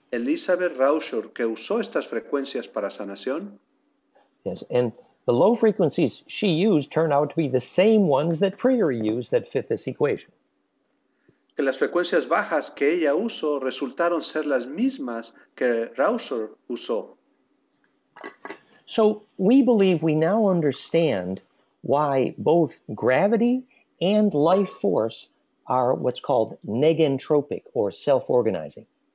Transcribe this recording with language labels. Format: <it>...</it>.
<es>Elizabeth Rauscher, que usó estas frecuencias para sanación.</es> <en>Yes, and the low frequencies she used turned out to be the same ones that Prior used that fit this equation.</en> <es>Que las frecuencias bajas que ella usó resultaron ser las mismas que Rauscher usó.</es> <en>So we believe we now understand why both gravity and life force are what's called negentropic, or self-organizing.</en>